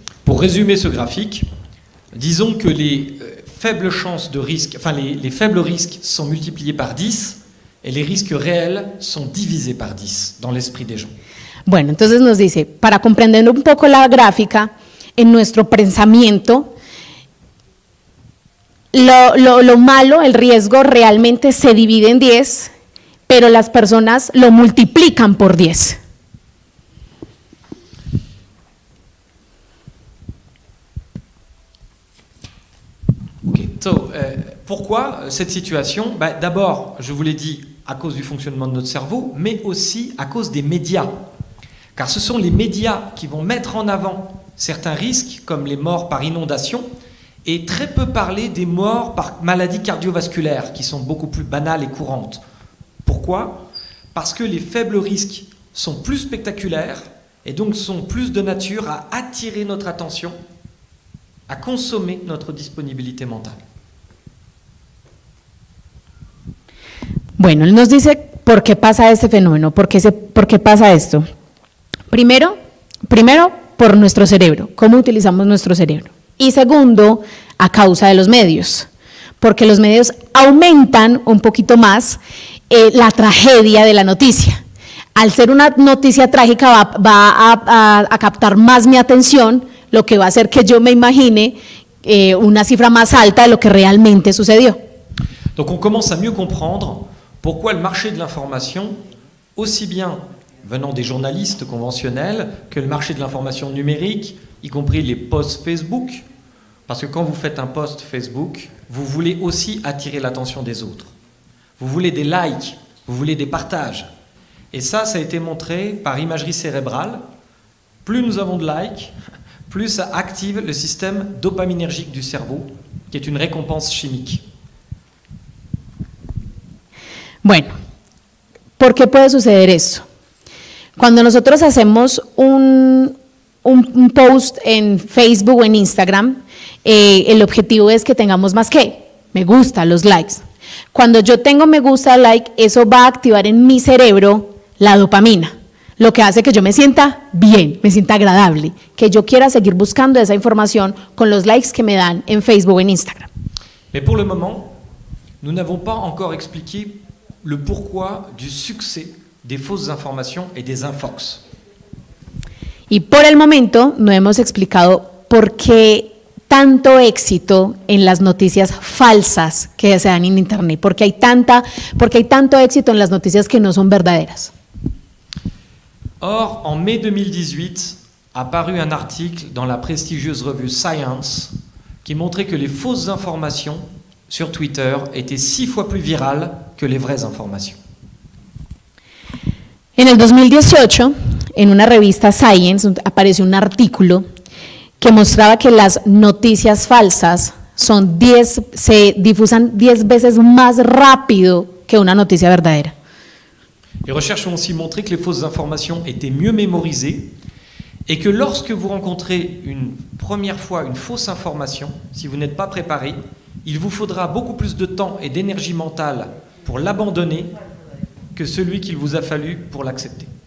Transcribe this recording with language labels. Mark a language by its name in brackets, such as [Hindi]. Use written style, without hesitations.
[French] Pour résumer ce graphique, disons que les faibles chances de risque, enfin les faibles risques sont multipliés par 10 et les risques réels sont divisés par 10 dans l'esprit des gens. [Spanish] Bueno, entonces nos dice, para comprender un poco la gráfica en nuestro pensamiento, lo malo, el riesgo, realmente se divide en 10, pero las personas lo multiplican por 10. Okay. [French] So, pourquoi cette situation? Bah, d'abord, je vous l'ai dit, à cause du fonctionnement de notre cerveau, mais aussi à cause des médias. Car ce sont les médias qui vont mettre en avant certains risques, comme les morts par inondation, et très peu parler des morts par maladies cardiovasculaires, qui sont beaucoup plus banales et courantes. Pourquoi? Parce que les faibles risques sont plus spectaculaires, et donc sont plus de nature à attirer notre attention, à consommer notre disponibilité mentale. [Spanish] Bueno, él nos dice por qué pasa este fenómeno, por qué pasa esto. Primero, por nuestro cerebro, cómo utilizamos nuestro cerebro. Y segundo, a causa de los medios, porque los medios aumentan un poquito más la tragedia de la noticia. Al ser una noticia trágica va a captar más mi atención, lo que va a hacer que yo me imagine una cifra más alta de lo que realmente sucedió. [French] Donc on commence à mieux comprendre pourquoi le marché de l'information, aussi bien venant des journalistes conventionnels que le marché de l'information numérique, y compris les posts Facebook, parce que quand vous faites un post Facebook, vous voulez aussi attirer l'attention des autres. Vous voulez des likes, vous voulez des partages. Et ça, ça a été montré par imagerie cérébrale. Plus nous avons de likes, plus ça active le système dopaminergique du cerveau, qui est une récompense chimique. [Spanish] Bueno, ¿por qué puede suceder eso? Cuando nosotros hacemos un post en Facebook o en Instagram, el objetivo es que tengamos más que me gusta, los likes. Cuando yo tengo me gusta, like, eso va a activar en mi cerebro la dopamina, lo que hace que yo me sienta bien, me sienta agradable, que yo quiera seguir buscando esa información con los likes que me dan en Facebook o en Instagram. [French] Mais pour le moment, nous n'avons pas encore expliqué le pourquoi du succès des fausses informations et des infox. [Spanish] Y por el momento no hemos explicado por qué tanto éxito en las noticias falsas que se dan en internet, porque hay tanto éxito en las noticias que no son verdaderas. [French] Or, en mai 2018, a paru un article dans la prestigieuse revue Science qui montrait que les fausses informations sur Twitter étaient 6 fois plus virales que les vraies informations. [Spanish] En el 2018, en una revista Science, apareció un artículo que mostraba que las noticias falsas se difusan 10 veces más rápido que una noticia verdadera. [French] Les recherches ont aussi montré que les fausses informations étaient mieux mémorisées et que lorsque vous rencontrez une première fois une fausse information, si vous n'êtes pas préparé, il vous faudra beaucoup plus de temps et d'énergie mentale pour l'abandonner que celui qu'il vous a fallu pour l'accepter.